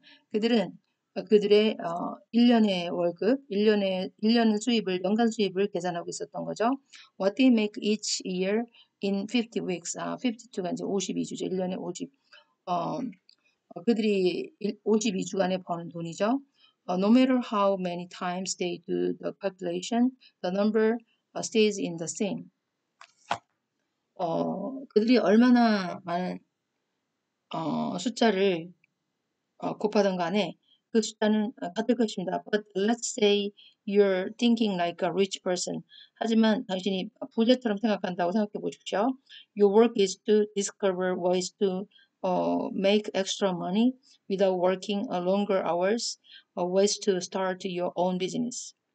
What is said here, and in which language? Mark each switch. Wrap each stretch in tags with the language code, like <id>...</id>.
<ko>그들은 그들의 1년의 월급, 1년의 수입을 연간 수입을 계산하고 있었던 거죠.</ko> <en>What they make each year in 50 weeks.</en> <ko>52가 이제 52주죠. 1년에 50. 그들이 52주간에 버는 돈이죠.</ko> <en>No matter how many times they do the calculation, the number stays in the same.</en> <ko>그들이 얼마나 많은 숫자를 곱하던 간에 그 숫자는 같을 것입니다.</ko> <en>But let's say you're thinking like a rich person.</en> <ko>하지만 당신이 부자처럼 생각한다고 생각해 보십시오.</ko> <en>Your work is to discover ways to make extra money without working longer hours, ways to start your own business.</en>